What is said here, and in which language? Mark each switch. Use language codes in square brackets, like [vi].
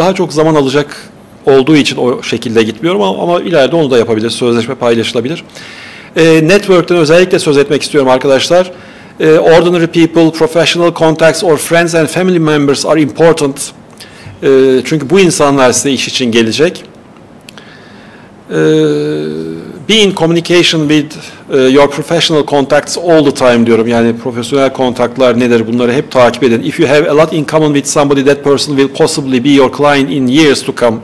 [tr] Daha çok zaman alacak olduğu için o şekilde gitmiyorum ama ileride onu da yapabilir. Sözleşme paylaşılabilir. Network'ten özellikle söz etmek istiyorum arkadaşlar. [en] Ordinary people, professional contacts or friends and family members are important. [tr] Çünkü bu insanlar size iş için gelecek. [en] Be in communication with your professional contacts all the time [tr] diyorum. Yani profesyonel kontaklar nedir, bunları hep takip edin. [en] If you have a lot in common with somebody, that person will possibly be your client in years to come.